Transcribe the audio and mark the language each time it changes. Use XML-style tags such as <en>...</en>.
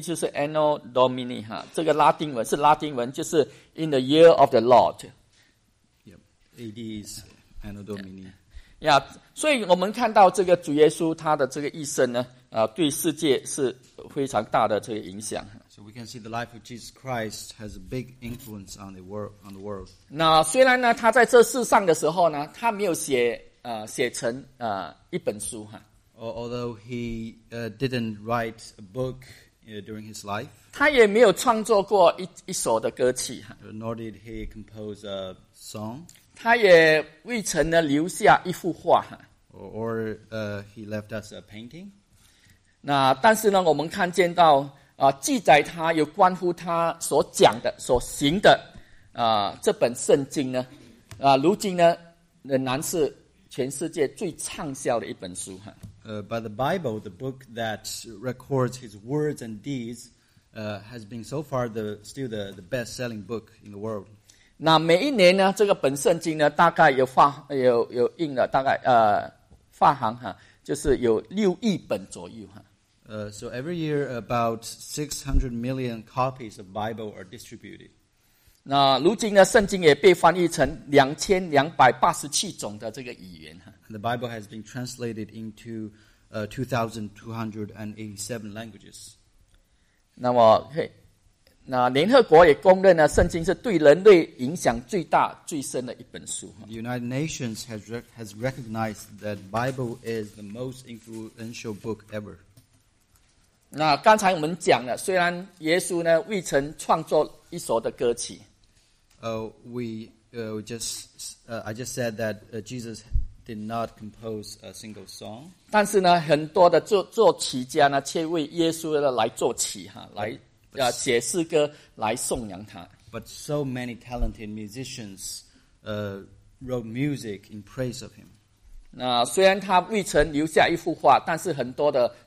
<zh>就是 Anno Domini 哈，这个拉丁文是拉丁文，就是</zh> <en>in the year of the Lord。 Yep, A.D. is Anno Domini。</en> <zh>呀，所以我们看到这个主耶稣他的这个一生呢，对世界是非常大的这个影响。</zh> <en>So we can see the life of Jesus Christ has a big influence on the world.</en> <zh>那虽然呢，他在这世上的时候呢，他没有写写成一本书哈。</zh> <en>Although he didn't write a book during his life,</en> <zh>他也没有创作过一首的歌曲哈。</zh> <en>Nor did he compose a song.</en> <zh>他也未曾呢留下一幅画哈。</zh> <en>He left us a painting.</en> <zh>那但是呢，我们看见到。记载他有关乎他所讲的、所行的，这本圣经呢，如今呢，仍然是全世界最畅销的一本书哈。</zh> <en>By the Bible, the book that records his words and deeds, has been so far still the best-selling book in the world.</en> <zh>那每一年呢，这个本圣经呢，大概有印了大概发行哈，就是有6亿本左右哈。</zh> <en>So every year about 600 million copies of Bible are distributed.</en> <zh>那如今呢，圣经也被翻译成2287种的这个语言。</zh> <en>The Bible has been translated into 2,287 languages.</en> <zh>那么，那联合国也公认呢，圣经是对人类影响最大、最深的一本书。</zh> <en>The United Nations has recognized that Bible is the most influential book ever.</en> <zh>那刚才我们讲了，虽然耶稣呢未曾创作一首的歌曲。</zh> <en>I just said that Jesus did not compose a single song.</en> <zh>但是呢，很多的作曲家呢，却为耶稣来作曲哈，来写诗歌来颂扬他。</zh> <en>But so many talented musicians, wrote music in praise of him.</en> <zh>那虽然他未曾留下一幅画，但是很多的。</zh>